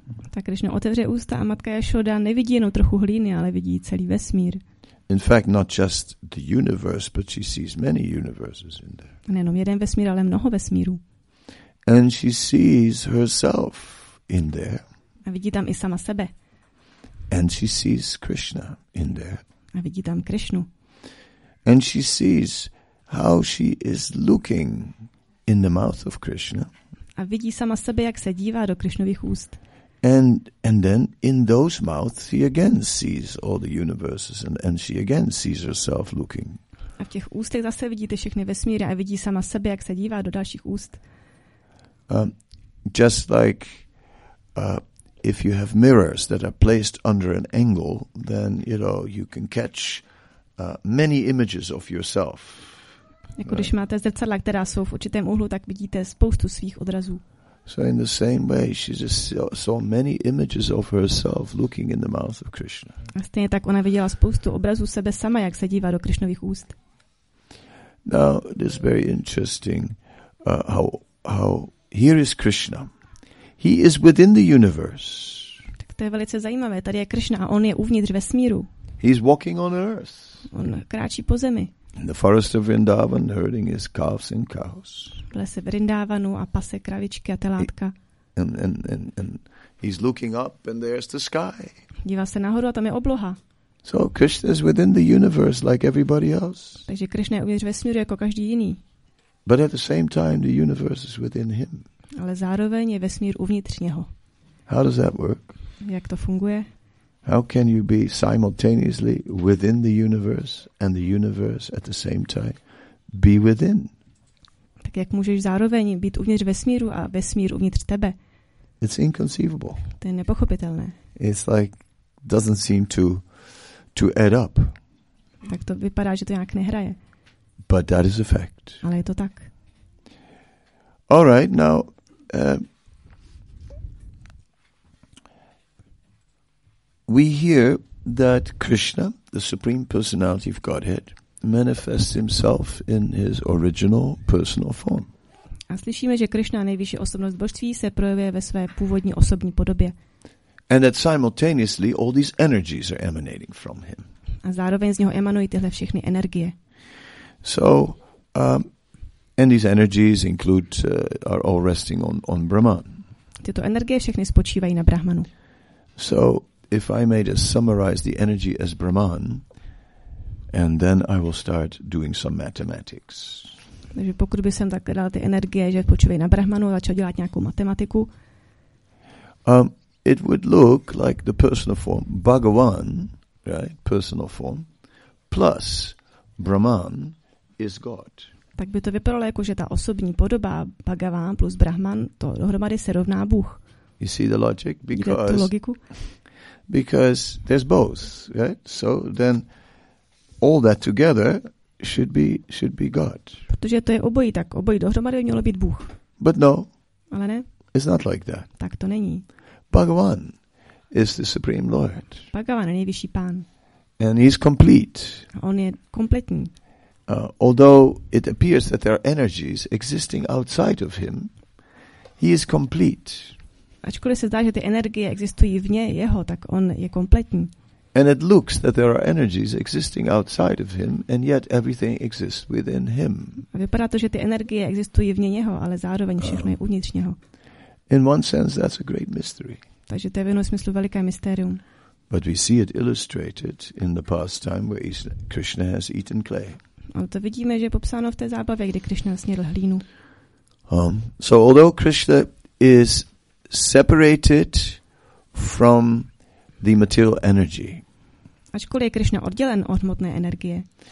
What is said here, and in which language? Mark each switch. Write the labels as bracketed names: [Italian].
[Czech] Tak Krishna otevře ústa a matka Yasoda nevidí jenom trochu hlíny, ale vidí celý vesmír. [English] In fact, not just the universe, but she sees many universes in there. [Czech] Nejenom jeden vesmír, ale mnoho vesmíru. [English] And she sees herself in there. [Czech] A vidí tam i sama sebe. [English] And she sees Krishna in there. [Czech] A vidí tam Krishnu. [English] And she sees how she is looking in the mouth of Krishna. [Czech] A vidí sama sebe, jak se dívá do Krishnových úst. [English] And then in those mouths she again sees all the universes and she again sees herself looking. [Czech] A v těch ústech zase vidí ty všechny vesmíry a vidí sama sebe, jak se dívá do dalších úst. [English] Just like if you have mirrors that are placed under an angle, then you know you can catch many images of yourself. [Czech] Jako když máte zrcadla, která jsou v určitém úhlu, tak vidíte spoustu svých odrazů. [English] So in the same way, she just saw many images of herself looking in the mouth of Krishna. [Czech] A stejně tak ona viděla spoustu obrazů sebe sama, jak se dívá do Krishnových úst. [English] Now it is very interesting how here is Krishna. He is within the universe. [Czech] Tak to je velice zajímavé. Tady je Krishna a on je uvnitř vesmíru. [English] He is walking on earth. [Czech] On kráčí po zemi. [English] In the forest of Vrindavan, herding his calves and cows. [Czech] V lese Vrindavanu a pase kravičky a telátka. [English] And he's looking up and there's the sky. [Czech] Dívá se nahoru a tam je obloha. [English] So Krishna is within the universe like everybody else. [Czech] Takže Krishna je uvnitř vesmíru jako každý jiný. [English] But at the same time the universe is within him. [Czech] Ale zároveň je vesmír uvnitř něho. [English] How does that work? [Czech] Jak to funguje? [English] How can you be simultaneously within the universe and the universe at the same time be within? [Czech] Tak jak můžeš zároveň být uvnitř vesmíru a vesmír uvnitř tebe? [English] It's inconceivable. [Czech] To je nepochopitelné. [English] It's like doesn't seem to add up. [Czech] Tak to vypadá, že to nějak nehraje. [English] But that is a fact. [Czech] Ale je to tak. [English] All right, now we hear that Krishna, the Supreme Personality of Godhead, manifests himself in his original personal form. [Czech] A slyšíme, že Krishna, nejvyšší osobnost božství, se projevuje ve své původní osobní podobě. [English] And that simultaneously all these energies are emanating from him. [Czech] A zároveň z něho emanují tyhle všechny energie. [English] So and these energies include are all resting on Brahman. [Czech] Tyto energie všechny spočívají na Brahmanu. [English] So if I may just summarize the energy as Brahman, and then I will start doing some mathematics. [Czech] Takže pokud by jsem tak dal ty energie, že spočívají na Brahmanu, začal dělat nějakou matematiku. [English] It would look like the personal form Bhagavan, right? Personal form plus Brahman is God. [Czech] Tak by to vypadalo jako, že ta osobní podoba Bhagavan plus Brahman, to dohromady se rovná Bůh. [English] You see the logic? Because, [Czech] logiku? [English] Because there's both, right? So then all that together should be God. [Czech] Protože to je obojí, tak obojí dohromady mělo být Bůh. [English] But no. [Czech] Ale ne. [English] It's not like that. [Czech] Tak to není. [English] Bhagavan is the Supreme Lord. [Czech] Bhagavan je nejvyšší pán. [English] And he's complete. [Czech] A on je kompletní. [English] Although it appears that there are energies existing outside of him, he is complete. [Czech] Ačkoliv se zdá, že ty energie existují vně jeho, tak on je kompletní. [English] And it looks that there are energies existing outside of him, and yet everything exists within him. [Czech] A vypadá to, že ty energie existují vně něho, ale zároveň všechno je uvnitř něho. [English] In one sense, that's a great mystery. [Czech] Takže to je v jednom smyslu veliké mystérium. [English] But we see it illustrated in the pastime where Krishna has eaten clay. [Czech] Ale to vidíme, že je popsáno v té zábavě, kdy Krishna snědl hlínu. [English] So although Krishna is separated from the material energy. [Czech] Ačkoliv je Krishna oddělen od hmotné energie.